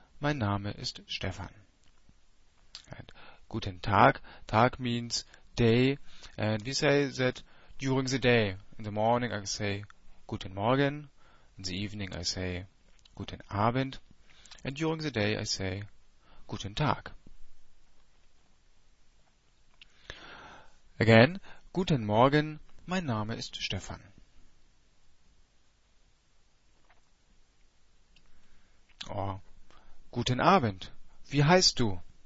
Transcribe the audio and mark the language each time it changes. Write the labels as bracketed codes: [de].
[de] Mein Name ist Stefan. And guten Tag. Tag means [en] day, and we say that during the day. In the morning I say [de] Guten Morgen, [en] in the evening I say [de] Guten Abend, [en] and during the day I say [de] Guten Tag. Again, Guten Morgen, mein Name ist Stefan. Oh, Guten Abend, wie heißt du?